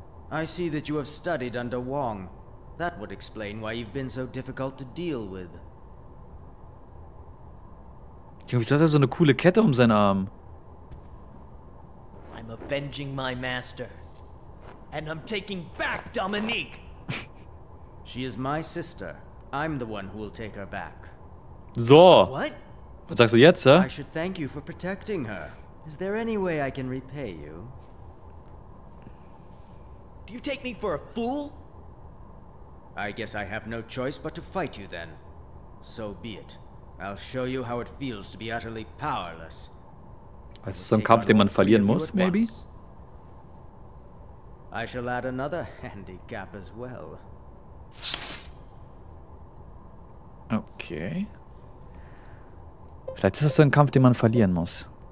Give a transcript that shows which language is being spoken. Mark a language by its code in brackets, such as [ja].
[en] I see that you have studied under Wong. That would explain why you've been so difficult to deal with. [de] Junge, wieso hat er so eine coole Kette um seinen Arm? [en] I'm avenging my master. And I'm taking back Dominique. She is my sister. I'm the one who will take her back. So. What? [de] Was sagst du jetzt, hä? [en] I should thank you for protecting her. Is there any way I can repay you? Do you take me for a fool? I guess I have no choice but to fight you then. So be it. I'll show you how it feels to be utterly powerless. [de] Ist das so ein Kampf, den man verlieren muss, maybe? [en] I shall add another handicap as well. Okay. [de] Vielleicht ist das so ein Kampf, den man verlieren muss.